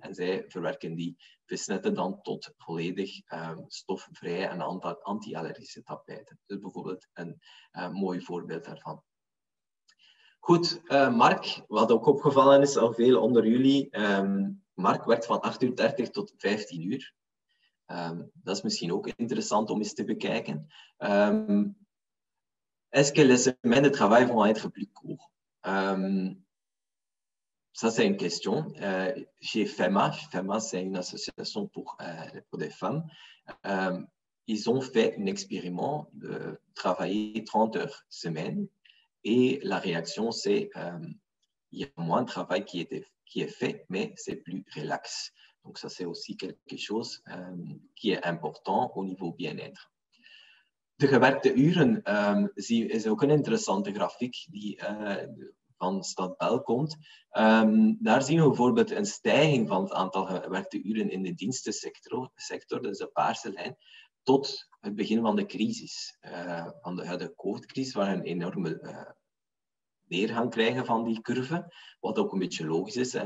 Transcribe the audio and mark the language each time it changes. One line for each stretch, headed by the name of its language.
Dutch: En zij verwerken die visnetten dan tot volledig stofvrije en anti-allergische tapijten. Dus bijvoorbeeld een mooi voorbeeld daarvan. Goed, Mark, wat ook opgevallen is al veel onder jullie. Mark werkt van 8:30 tot 15 uur. Dat is misschien ook interessant om eens te bekijken.
French: Est-ce que les semaines de travail vont être plus courtes? Ça, c'est une question. Chez FEMA, FEMA, c'est une association pour des femmes. Ils ont fait un expériment de travailler 30 heures semaine et la réaction, c'est il y a moins de travail qui est fait, mais c'est plus relax. Donc, ça, c'est aussi quelque chose qui est important au niveau bien-être.
Dutch: De gewerkte uren, is ook een interessante grafiek die van Stad Bel komt. Daar zien we bijvoorbeeld een stijging van het aantal gewerkte uren in de dienstensector, dat is de paarse lijn, tot het begin van de crisis, van de huidige COVID-crisis, waar we een enorme neergang krijgen van die curve, wat ook een beetje logisch is. Hè.